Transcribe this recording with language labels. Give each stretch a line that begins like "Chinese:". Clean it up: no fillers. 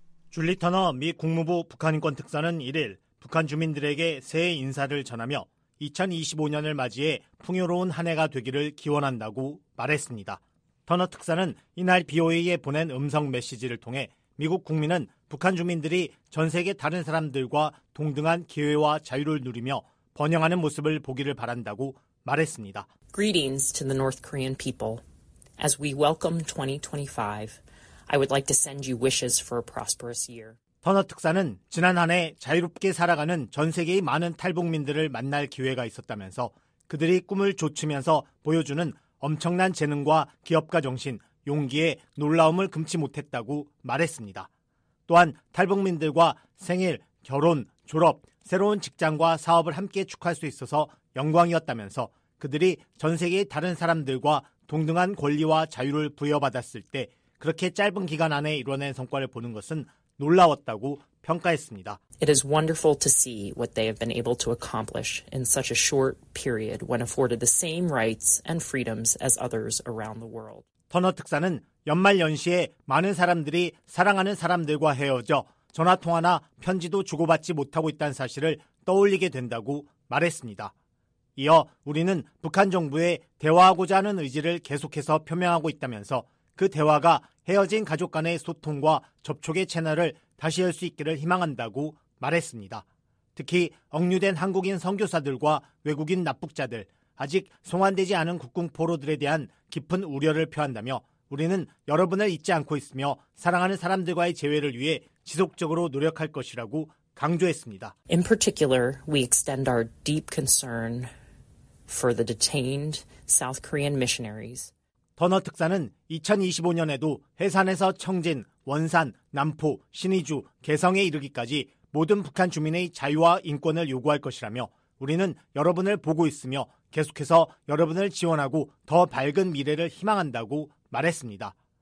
Korean: 줄리 터너 미 국무부 북한인권특사는 1일 북한 주민들에게 새해 인사를 전하며 2025년을 맞이해 풍요로운 한 해가 되기를 기원한다고 말했습니다. 터너 특사는 이날 BOA에 보낸 음성 메시지를 통해 미국 국민은 북한 주민들이 전 세계 다른 사람들과 동등한 기회와 자유를 누리며 번영하는 모습을 보기를 바란다고 말했습니다.
English: Greetings to the North Korean people. As we welcome 2025, I would like to send you wishes for a prosperous year.
Korean: 터너 특사는 지난 한 해 자유롭게 살아가는 전 세계의 많은 탈북민들을 만날 기회가 있었다면서 그들이 꿈을 좇으면서 보여주는 엄청난 재능과 기업가 정신, 용기에 놀라움을 금치 못했다고 말했습니다. 또한 탈북민들과 생일, 결혼, 졸업, 새로운 직장과 사업을 함께 축하할 수 있어서 영광이었다면서 그들이 전 세계의 다른 사람들과 동등한 권리와 자유를 부여받았을 때 그렇게 짧은 기간 안에 이뤄낸 성과를 보는 것은 놀라웠다고 평가했습니다.
English: It is wonderful to see what they have been able to accomplish in such a short period when afforded the same rights and freedoms as others around the world.
Korean: 터너 특사는 연말 연시에 많은 사람들이 사랑하는 사람들과 헤어져 전화 통화나 편지도 주고받지 못하고 있다는 사실을 떠올리게 된다고 말했습니다. 이어 우리는 북한 정부에 대화하고자 하는 의지를 계속해서 표명하고 있다면서 그 대화가 헤어진 가족 간의 소통과 접촉의 채널을 다시 열 수 있기를 희망한다고 말했습니다. 특히 억류된 한국인 선교사들과 외국인 납북자들, 아직 송환되지 않은 국군 포로들에 대한 깊은 우려를 표한다며 우리는 여러분을 잊지 않고 있으며 사랑하는 사람들과의 재회를 위해 지속적으로 노력할 것이라고 강조했습니다.
English: In particular, we extend our deep concern for the detained South Korean missionaries.
Korean: 터너 특사는 2025년에도 해산에서 청진, 원산, 남포, 신의주, 개성에 이르기까지 모든 북한 주민의 자유와 인권을 요구할 것이라며 우리는 여러분을 보고 있으며 계속해서 여러분을 지원하고 더 밝은 미래를 희망한다고 말했습니다.